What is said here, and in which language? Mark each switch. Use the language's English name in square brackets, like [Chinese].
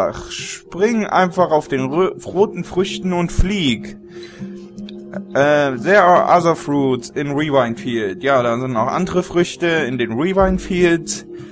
[German] Spring einfach auf den roten Früchten und flieg. [English] There are other fruits in Rewind Field. [German] Ja, da sind auch andere Früchte in den Rewind Fields.